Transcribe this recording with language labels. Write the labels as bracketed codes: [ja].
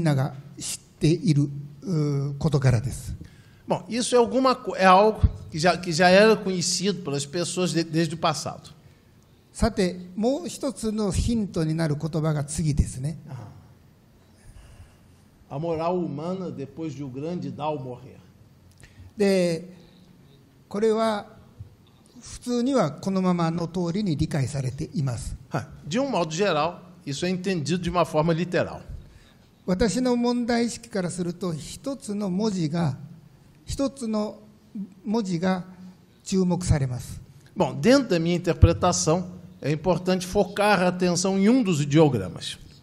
[ja] さて、それは昔からみんなが知っていることからです。 [pt] Bom, isso é algo que já era conhecido pelas pessoas desde o passado. [ja] さて、もう一つのヒントになる言葉が次ですね。 [pt] A moral humana depois de o grande Dao morrer. [ja] で、これは普通にはこのままの通りに理解されています。 [pt] De um modo geral, isso é entendido de uma forma literal. [ja] 私の問題意識からすると、一つの文字が 一つの文字が注目されます。 [pt] Bom, dentro da minha interpretação, é importante focar a atenção em um dos ideogramas.